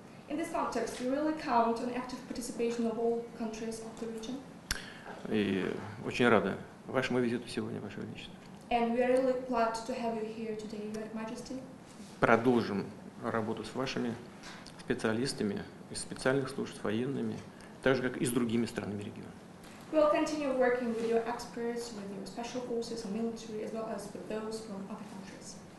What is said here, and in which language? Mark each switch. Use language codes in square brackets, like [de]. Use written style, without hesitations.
[en] In this context, we really count on active participation of all countries of the region. [ru] И очень рада вашему визиту сегодня, Ваше Величество. [en] And we are really glad to have you here today, Your Majesty. [ru] Продолжим работу с вашими специалистами из специальных служб, военными, так же, как и с другими странами региона. [en] We will continue working with your experts, with your special forces and military, as well as with those from other countries.